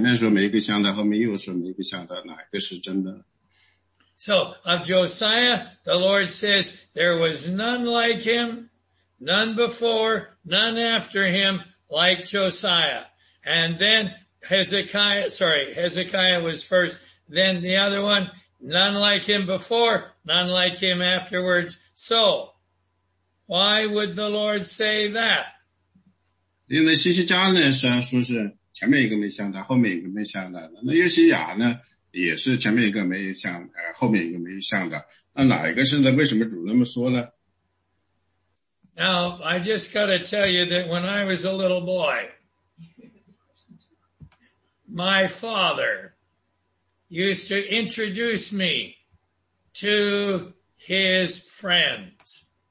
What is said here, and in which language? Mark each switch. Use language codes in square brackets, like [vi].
[zh] 是不是Sharon的问题就是前面说没一个像他，后面又说没一个像他，哪一个是真的？ [en] So, of Josiah, the Lord says, there was none like him, none before, none after him, like Josiah. And then Hezekiah was first, then the other one, none like him before, none like him afterwards. So, why would the Lord say that? [zh] 因为西西家呢，说是前面一个没像他，后面一个没像他。那约西亚呢，也是前面一个没像，后面一个没像的。那哪一个是呢？为什么主那么说呢？ [en] Now, I just gotta tell you that when I was a little boy, my father used to introduce me to his friends.